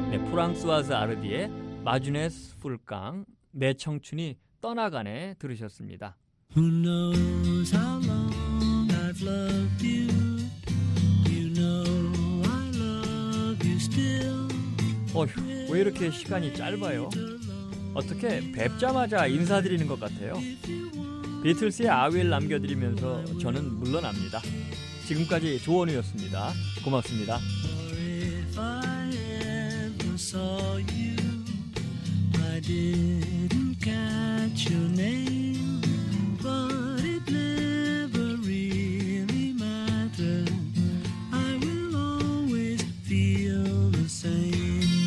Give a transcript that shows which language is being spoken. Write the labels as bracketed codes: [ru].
[ko] 프랑스와즈 아르디의 마주네스 풀깡 내 청춘이 떠나가네 들으셨습니다. [en] Who knows how long I've loved you. You know I love you still. [ko] 어휴, 왜 이렇게 시간이 짧아요? 어떻게 뵙자마자 인사드리는 것 같아요? 비틀스의 I will 남겨드리면서 저는 물러납니다. 지금까지 조원우였습니다. 고맙습니다. [en] Saw you, I didn't catch your name, but it never really mattered. I will always feel the same.